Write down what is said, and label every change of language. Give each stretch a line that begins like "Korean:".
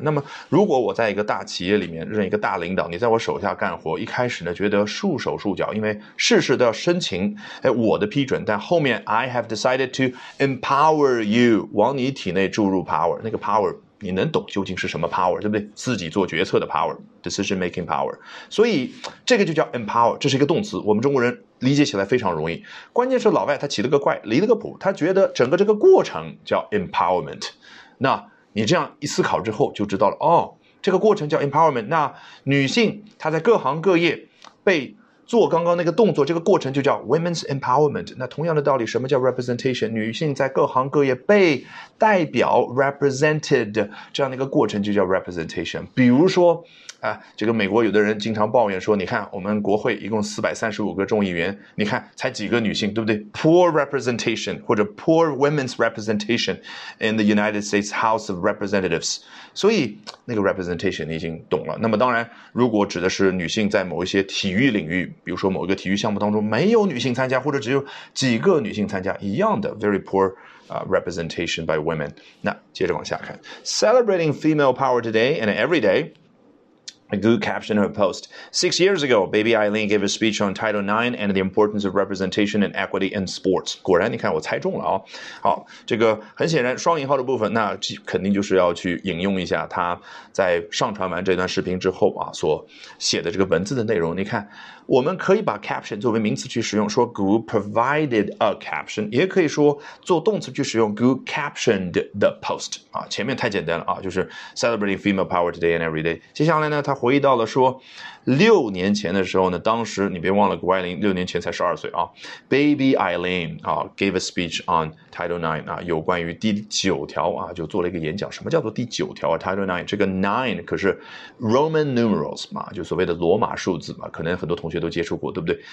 Chinese: 那么如果我在一个大企业里面任一个大领导，你在我手下干活，一开始呢觉得束手束脚，因为事事都要申请我的批准，但后面
English: I have decided to empower you，
Chinese: 往你体内注入 power， 那个 power 你能懂究竟是什么 power， 对不对？自己做决策的 power， decision making power。所以这个就叫 empower， 这是一个动词，我们中国人理解起来非常容易。关键是老外他起了个怪，离了个谱，他觉得整个这个过程叫 empowerment。那你这样一思考之后就知道了，哦，这个过程叫 empowerment， 那女性她在各行各业被做刚刚那个动作，这个过程就叫 women's empowerment。那同样的道理，什么叫 representation？ 女性在各行各业被代表 represented， 这样的一个过程就叫 representation。比如说这个美国有的人经常抱怨说，你看我们国会一共435个众议员，你看才几个女性，对不对？
English: poor representation
Chinese: 或者
English: poor women's representation in the United States House of Representatives。
Chinese: 所以那个 representation 你已经懂了。那么当然如果指的是女性在某一些体育领域，比如说某一个体育项目当中没有女性参加，或者只有几个女性参加，一样的
English: very poor representation by women。
Chinese: 那接着往下看，
English: celebrating female power today and every dayA good caption of her post. 6 years ago, baby Eileen gave a speech on Title IX and the importance of representation and equity in sports.
Chinese: 果然你看我猜中了哦。好，这个很显然双引号的部分，那肯定就是要去引用一下她在上传完这段视频之后啊所写的这个文字的内容。你看我们可以把 caption 作为名词去使用，说
English: Gu provided a caption，
Chinese: 也可以说做动词去使用
English: Gu captioned the post。
Chinese: 前面太简单了，就是
English: celebrating female power today and every day。
Chinese: 接下来呢，他回忆到了说6年前的时候呢，当时你别忘了谷爱凌六年前才12岁啊。 Baby Eileen 啊
English: gave a speech on Title IX
Chinese: 啊，有关于第九条啊，就做了一个演讲。什么叫做第九条啊 ？Title IX 这个 nine 可是 Roman numerals 嘛，就所谓的罗马数字嘛，可能很多同学都接触过，对不对？